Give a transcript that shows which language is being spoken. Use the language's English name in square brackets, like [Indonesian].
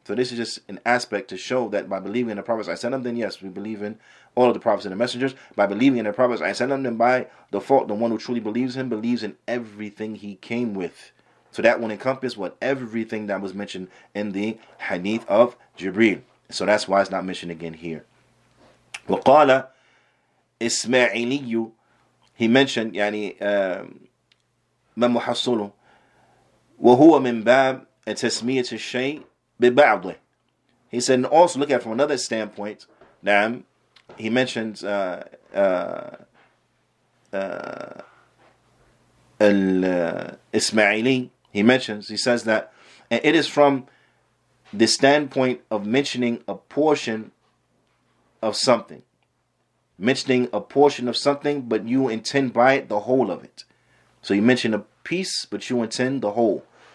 [English] So this is just an aspect to show that by believing in the prophets sallallahu alayhi wa sallam, then yes, we believe in all of the prophets and the messengers. By believing in the prophets sallallahu alayhi wa sallam, then by default, the one who truly believes him believes in everything he came with. So that will encompass what everything that was mentioned in the hadith of Jibreel. So that's why it's not mentioned again here. [Arabic] وقال إسماعيلي, [English] he mentioned [Arabic] يعني من محصله وهو من باب تسمية الشيء ببعضه. [English] He said, and also look at it from another standpoint. [Arabic] نعم, [English] he mentions الإسماعيلي. He mentions, he says that it is from the standpoint of mentioning a portion of something. Mentioning a portion of something, but you intend by it the whole of it. So you mention a piece, but you intend the whole.